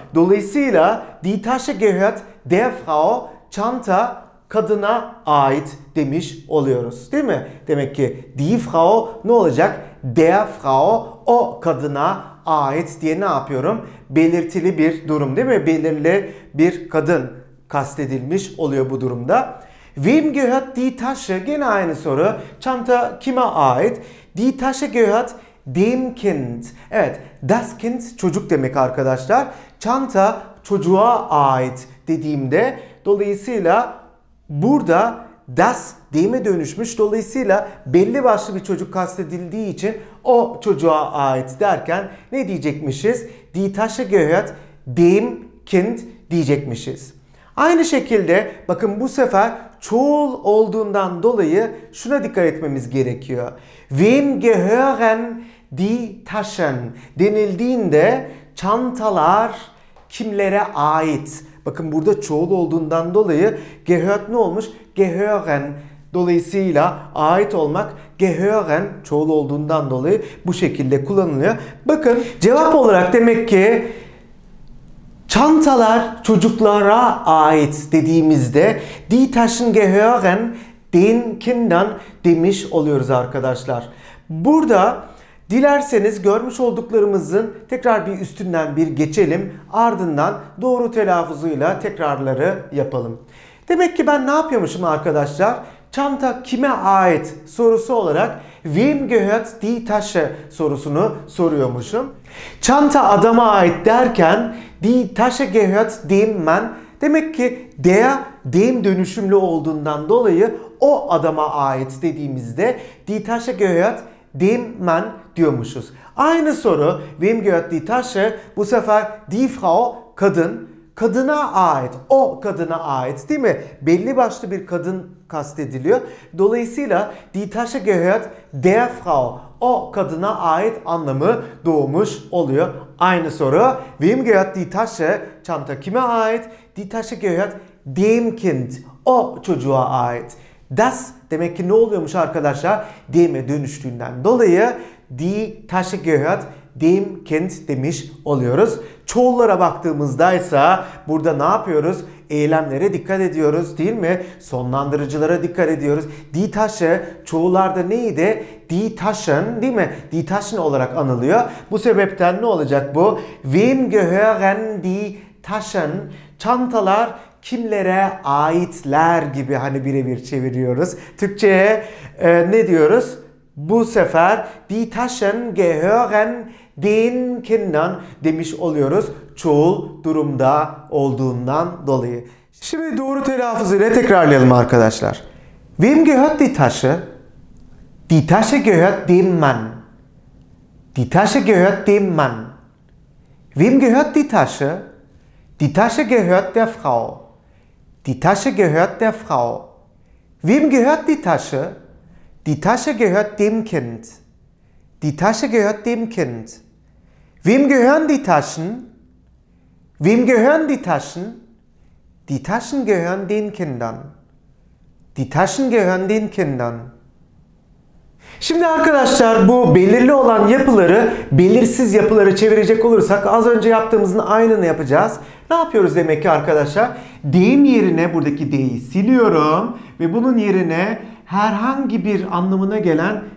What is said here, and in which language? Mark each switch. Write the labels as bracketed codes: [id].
[tr] Dolayısıyla [de] die Tasche gehört der Frau, [tr] çanta kadına ait demiş oluyoruz. Değil mi? Demek ki die Frau ne olacak? Der Frau, o kadına ait diye ne yapıyorum? Belirtili bir durum, değil mi? Belirli bir kadın kastedilmiş oluyor bu durumda. [de] Wem gehört die Tasche? [tr] Gene aynı soru. Çanta kime ait? [de] Die Tasche gehört dem Kind. [tr] Evet, das Kind çocuk demek arkadaşlar. Çanta çocuğa ait dediğimde dolayısıyla burada das dem'e dönüşmüş. Dolayısıyla belli başlı bir çocuk kastedildiği için o çocuğa ait derken ne diyecekmişiz? [de] Die Tasche gehört dem Kind diyecekmişiz. [tr] Aynı şekilde bakın bu sefer çoğul olduğundan dolayı şuna dikkat etmemiz gerekiyor. [de] Wem gehören die Taschen [tr] denildiğinde çantalar kimlere ait? Bakın burada çoğul olduğundan dolayı gehört ne olmuş? Gehören dolayısıyla ait olmak gehören çoğul olduğundan dolayı bu şekilde kullanılıyor. Bakın cevap olarak demek ki çantalar çocuklara ait dediğimizde [de] die Taschen gehören den Kindern [tr] demiş oluyoruz arkadaşlar. Burada dilerseniz görmüş olduklarımızın tekrar bir üstünden bir geçelim. Ardından doğru telaffuzuyla tekrarları yapalım. Demek ki ben ne yapıyormuşum arkadaşlar? Çanta kime ait sorusu olarak [de] wem gehört die Tasche [tr] sorusunu soruyormuşum. Çanta adama ait derken [de] die Tasche gehört dem Mann. [tr] Demek ki der dem dönüşümlü olduğundan dolayı o adama ait dediğimizde [de] die Tasche gehört dem Mann [tr] diyormuşuz. Aynı soru [de] wem gehört die Tasche [tr] bu sefer [de] die Frau kadın. [tr] Kadına ait, o kadına ait değil mi? Belli başlı bir kadın kastediliyor. Dolayısıyla [de] die Tasche gehört der Frau, [tr] o kadına ait anlamı doğmuş oluyor. Aynı soru. [de] Wem gehört die Tasche, [tr] çanta kime ait? [de] Die Tasche gehört dem Kind, [tr] o çocuğa ait. Das demek ki ne oluyormuş arkadaşlar? Dem'e dönüştüğünden dolayı [de] die Tasche gehört dem Kind [tr] demiş oluyoruz. Çoğullara baktığımızdaysa burada ne yapıyoruz? Eylemlere dikkat ediyoruz değil mi? Sonlandırıcılara dikkat ediyoruz. Die Tasche çoğullarda neydi? Die Taschen değil mi? Die Taschen olarak anılıyor. Bu sebepten ne olacak bu? [de] Wem gehören die Taschen? [tr] Çantalar kimlere aitler gibi hani birebir çeviriyoruz. Türkçe'ye ne diyoruz? Bu sefer [de] die Taschen gehören den Kindern [tr] demiş oluyoruz çoğul durumda olduğundan dolayı. Şimdi doğru telaffuzuyla tekrarlayalım arkadaşlar. [de] Wem gehört die Tasche? Die Tasche gehört dem Mann. Die Tasche gehört dem Mann. Wem gehört die Tasche? Die Tasche gehört der Frau. Die Tasche gehört der Frau. Wem gehört die Tasche? Die Tasche gehört dem Kind. Die Tasche gehört dem Kind. Wem gehören die Taschen? Wem gehören die Taschen? Die Taschen gehören den Kindern. Die Taschen gehören den Kindern. [tr] Şimdi arkadaşlar bu belirli olan yapıları belirsiz yapılara çevirecek olursak az önce yaptığımızın aynını yapacağız. Ne yapıyoruz demek ki arkadaşlar? Deyim yerine buradaki deyi siliyorum ve bunun yerine herhangi bir anlamına gelen